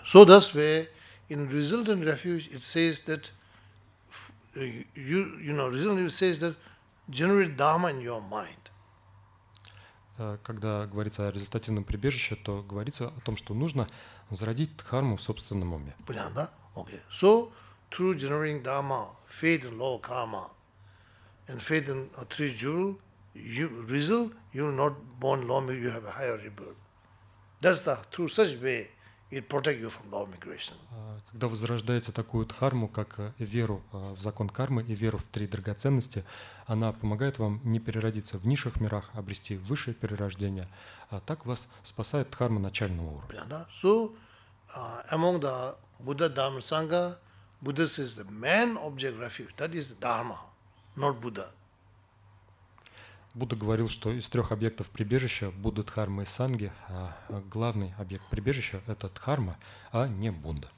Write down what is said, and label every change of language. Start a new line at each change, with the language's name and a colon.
English: So that's where in resultant refuge it says that you know resultant refuge says that generate dharma in your mind.
Russian: Когда говорится о результативном прибежище, то говорится о том, что нужно зародить дхарму в собственном уме. Понятно, да? Okay.
English: So through generating dharma, faith in law karma, and faith in a three jewel, you result, you're not born lawmaker, you have a higher rebirth. That's the through such way it protects you from law migration.
Russian: Когда возрождается такую дхарму, как веру в закон кармы и веру в три драгоценности, она помогает вам не переродиться в низших мирах, обрести высшее перерождение. Так вас спасает дхарма начального уровня. Да?
English: So, among the Buddha, Dharma, Sangha, Buddha says the main object refuge, that is dharma, not Buddha.
Russian: Будда говорил, что из трех объектов прибежища, Будда, Дхарма и Санги, главный объект прибежища – это Дхарма, а не Будда.